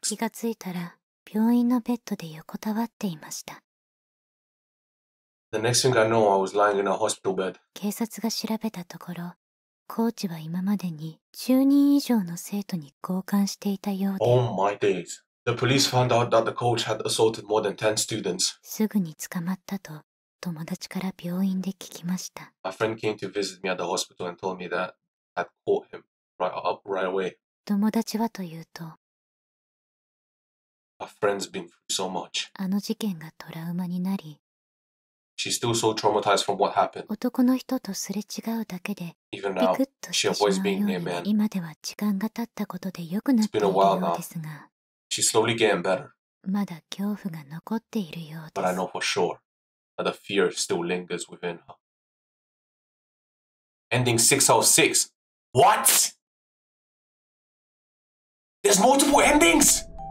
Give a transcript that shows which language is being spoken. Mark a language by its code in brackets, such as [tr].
[ja] 気がついたら、病院のベッドで横たわっていました。 [en] The next thing I know, I was lying in a hospital bed. [ja] 警察が調べたところ、コーチは今までに10人以上の生徒に強姦していたようで。 [en] Oh my days. The police found out that the coach had assaulted more than 10 students. [ja] すぐに捕まったと。友達から病院で聞きました。 [en] My friend came to visit me at the hospital and told me that I had caught him. Right away. [ja] 友達はというと、 [en] A friend's been through so much. [ja] あの事件がトラウマになり、 [en] She's still so traumatized from what happened. [ja] 男の人とすれ違うだけで、 [en] Even now, [ja] ビクッとしてしまうように、 [en] being near men. [ja] 今では時間が経ったことで良くなっているようですが、 [en] She's slowly getting better. [ja] まだ恐怖が残っているようです。 [en] But I know for sure that the fear still lingers within her. Ending 6 out of 6. What? There's multiple endings!